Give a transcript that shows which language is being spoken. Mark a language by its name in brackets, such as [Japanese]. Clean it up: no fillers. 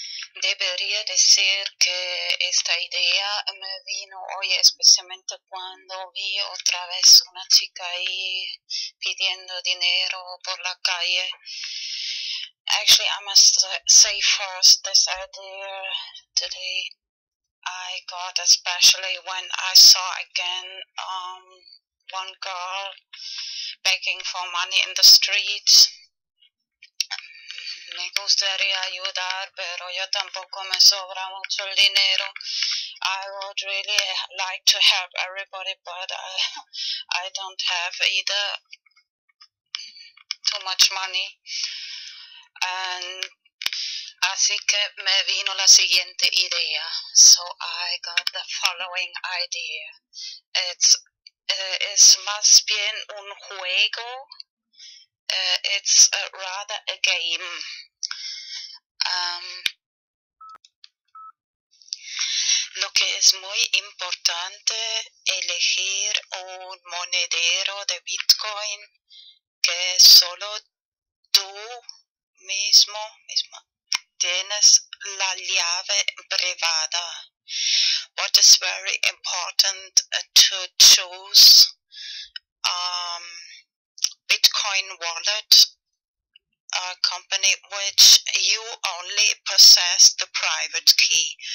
[Spanish] Debería decir que esta idea me vino hoy especialmente cuando vi otra vez una chica ahí pidiendo dinero por la calle. [English] Actually, I must say first, this idea today I got especially when I saw again one girl begging for money in the streets. [Spanish] Me gustaría ayudar, pero yo tampoco me sobra mucho el dinero. [English] I would really like to help everybody, but I don't have either too much money. And [Spanish] así que me vino la siguiente idea. [English] So I got the following idea. It's [Spanish] más bien un juego. [English] It's rather a game. Um, [Spanish] lo que es muy importante elegir un monedero de Bitcoin que solo tú mismo tienes la llave privada. [English] What is very important to choose Bitcoin wallet, a company which you only possess the private key.